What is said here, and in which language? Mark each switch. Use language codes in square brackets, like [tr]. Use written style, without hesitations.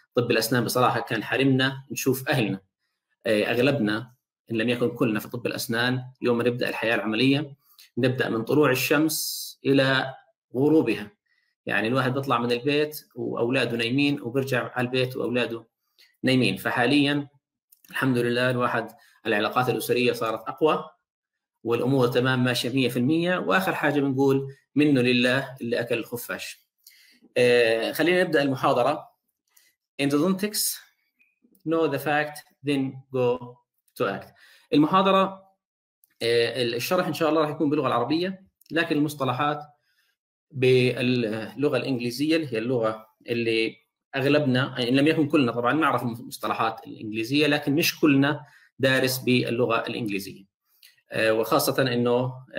[ar] طب الأسنان بصراحة كان حرمنا نشوف أهلنا، أغلبنا إن لم يكن كلنا في طب الأسنان، يوم ما نبدأ الحياة العملية نبدأ من طلوع الشمس إلى غروبها، يعني الواحد بيطلع من البيت وأولاده نايمين، وبرجع على البيت وأولاده نايمين. فحاليا الحمد لله الواحد العلاقات الأسرية صارت أقوى، والأمور تمام ماشية 100%، وآخر حاجة بنقول منه لله اللي أكل الخفاش. خلينا نبدأ المحاضرة. [en] In the context, know the fact, then go to act. [ar] المحاضرة، الشرح إن شاء الله راح يكون باللغة العربية، لكن المصطلحات باللغة الإنجليزية، اللي هي اللغة اللي أغلبنا، إن لم يكن كلنا طبعا نعرف المصطلحات الإنجليزية، لكن مش كلنا دارس باللغة الإنجليزية، وخاصة أنه